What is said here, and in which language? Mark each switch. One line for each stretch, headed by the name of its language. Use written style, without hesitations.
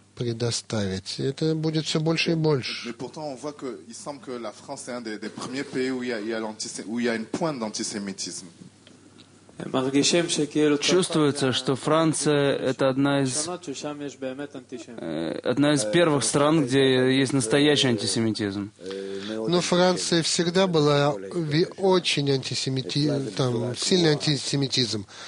Russian: Предоставить. Это будет все больше и больше.
French: Mais pourtant on voit que il semble que la France est un des premiers pays où il y a une pointe d'antisémitisme.
Russian: Чувствуется, что Франция — это одна из первых стран, где есть настоящий антисемитизм. Но Франция всегда была очень сильный антисемитизм.